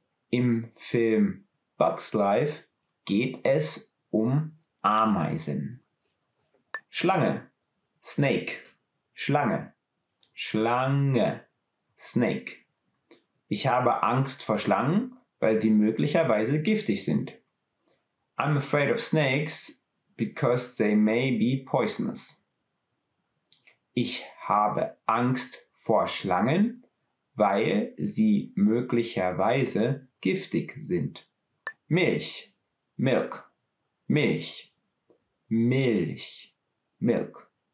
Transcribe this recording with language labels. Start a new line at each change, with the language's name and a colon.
German: Im Film Bug's Life geht es um Ameisen. Schlange, Snake, Schlange, Schlange, Snake. Ich habe Angst vor Schlangen, weil die möglicherweise giftig sind.
English: I'm afraid of snakes because they may be poisonous.
German: Ich habe Angst vor Schlangen, weil sie möglicherweise giftig sind. Milch, Milk, Milch, Milch, Milk.